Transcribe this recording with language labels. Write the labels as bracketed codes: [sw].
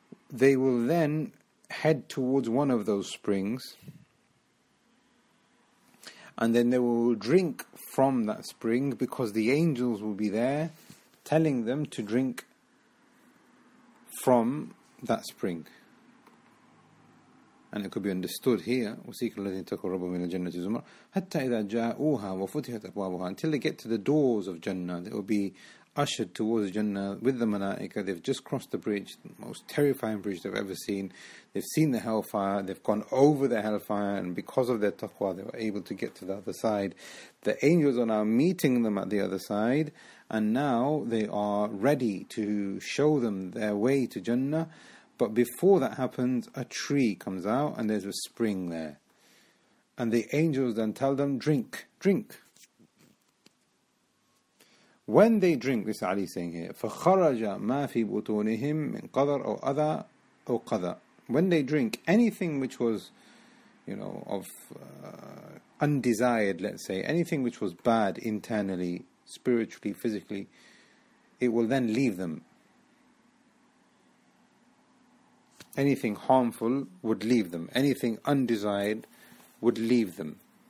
[en] They will then head towards one of those springs. And then they will drink from that spring, because the angels will be there telling them to drink from that spring. And it could be understood here, [ar] وَسِيكَ الَّذِينَ تَقُوا رَبَّهُمْ مِنَ الْجَنَّةِ زُمَرَ حَتَّى إِذَا جَاءُوهَا وَفُتِحَتْ أَبْوَابُهَا. [en] Until they get to the doors of Jannah, they will be ushered towards Jannah with the Malaika. They've just crossed the bridge, the most terrifying bridge they've ever seen. They've seen the hellfire, they've gone over the hellfire, and because of their taqwa, they were able to get to the other side. The angels are now meeting them at the other side, and now they are ready to show them their way to Jannah. But before that happens, a tree comes out and there's a spring there. And the angels then tell them, drink, drink. When they drink, this Ali is saying here, [ar] فَخَرَجَ مَا فِي بُطُونِهِمْ مِنْ قَدَرْ أَوْ أَذَىٰ أَوْ قَدَىٰ. [en] When they drink, anything which was, you know, of undesired, let's say, anything which was bad internally, spiritually, physically, it will then leave them. Anything harmful would leave them. Anything undesired would leave them.